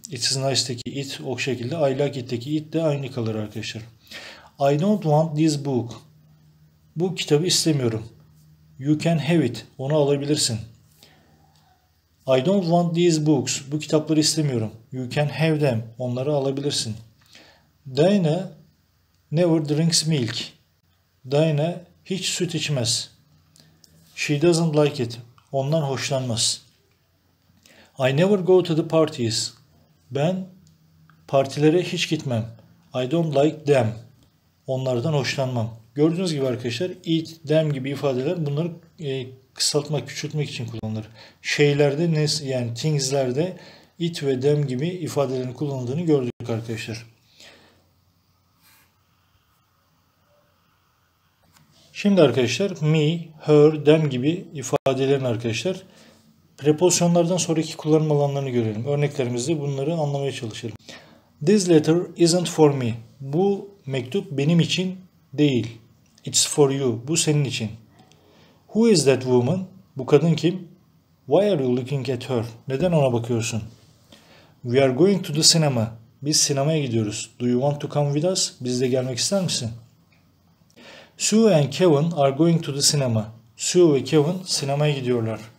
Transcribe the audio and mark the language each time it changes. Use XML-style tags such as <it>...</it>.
<tr>It's nice'teki it o şekilde. I like it'teki it de aynı kalır arkadaşlar.</tr> <en>I don't want this book.</en> <tr>Bu kitabı istemiyorum.</tr> <en>You can have it.</en> <tr>Onu alabilirsin.</tr> <en>I don't want these books.</en> <tr>Bu kitapları istemiyorum.</tr> <en>You can have them.</en> <tr>Onları alabilirsin.</tr> <en>Dinah never drinks milk.</en> <tr>Dinah hiç süt içmez.</tr> <en>She doesn't like it.</en> <tr>Ondan hoşlanmaz.</tr> <en>I never go to the parties.</en> <tr>Ben partilere hiç gitmem.</tr> <en>I don't like them.</en> <tr>Onlardan hoşlanmam. Gördüğünüz gibi arkadaşlar it, them gibi ifadeler bunları kısaltmak, küçültmek için kullanılır. Şeylerde, yani things'lerde it ve them gibi ifadelerin kullanıldığını gördük arkadaşlar. Şimdi arkadaşlar me, her, them gibi ifadelerin arkadaşlar preposyonlardan sonraki kullanım alanlarını görelim. Örneklerimizde bunları anlamaya çalışalım. This letter isn't for me. Bu mektup benim için değil.</tr> <en>It's for you.</en> <tr>Bu senin için.</tr> <en>Who is that woman?</en> <tr>Bu kadın kim?</tr> <en>Why are you looking at her?</en> <tr>Neden ona bakıyorsun?</tr> <en>We are going to the cinema.</en> <tr>Biz sinemaya gidiyoruz.</tr> <en>Do you want to come with us?</en> <tr>Bizle gelmek ister misin?</tr> <en>Sue and Kevin are going to the cinema.</en> <tr>Sue ve Kevin sinemaya gidiyorlar.</tr>